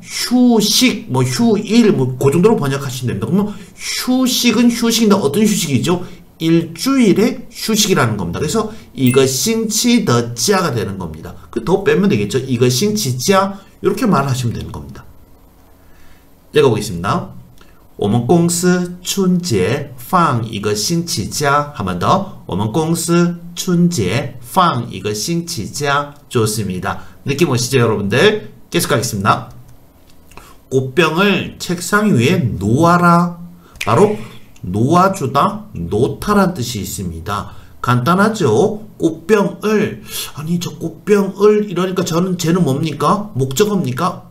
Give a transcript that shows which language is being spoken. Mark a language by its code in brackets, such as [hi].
[ko] 휴식 뭐 휴일 뭐그 정도로 번역하시면 됩니다. 그러면 휴식은 휴식인데 어떤 휴식이죠? 일주일의 휴식이라는 겁니다. 그래서 이거 싱치 더 짜가 되는 겁니다. 그더 빼면 되겠죠? 이거 싱치 짜 이렇게 말하시면 되는 겁니다. 읽어보겠습니다. [zh] 我们公司 春节放一个星期假. [ko] 한번 더. [zh] 我们公司 春节放一个星期假. [ko] 좋습니다. 느낌 오시죠, 여러분들? 계속하겠습니다. 꽃병을 책상 위에 놓아라. 바로 놓아주다, 놓다란 뜻이 있습니다. 간단하죠? 꽃병을, 아니, 저 꽃병을, 이러니까 저는, 쟤는 뭡니까? 목적어입니까?